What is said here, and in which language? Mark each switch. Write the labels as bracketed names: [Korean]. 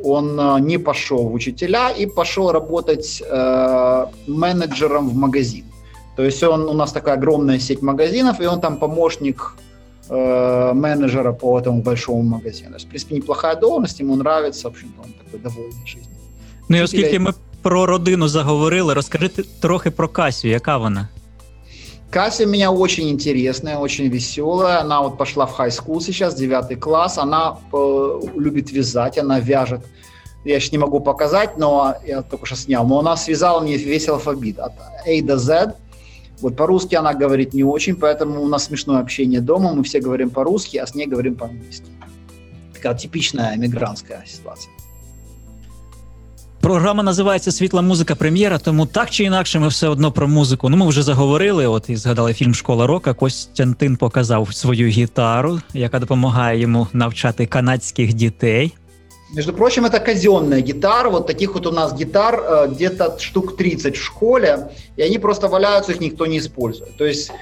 [Russian] Он не пошел в учителя и пошел работать менеджером в магазин. То есть он у нас такая огромная сеть магазинов, и он там помощник менеджера по этому большому магазину. То есть, в принципе, неплохая должность, ему нравится, в общем-то, он такой довольный жизнью. [Ukrainian] Ну и оскільки мы про родину заговорили, розкажите трохи про Касю, яка вона? [Russian] Кася у меня очень интересная, очень веселая. Она вот пошла в хай-скул сейчас, 9 класс. Она любит вязать, она вяжет. Я еще не могу показать, но я только что снял. Но она связала мне весь алфавит от A до Z. Вот по-русски она говорит не очень, поэтому у нас смешное общение дома. Мы все говорим по-русски, а с ней говорим по-английски. Такая типичная эмигрантская ситуация. [Ukrainian] Програма називається «Світла музика прем'єра», тому так чи інакше ми все одно про музику. Ну, ми вже заговорили, от і згадали фільм «Школа рока». Костянтин показав свою гітару, яка допомагає йому навчати канадських дітей. Між прочим, це казенна гітара. От таких от у нас гітар где-то штук 30 в школі, і вони просто валяються, їх ніхто не використовує.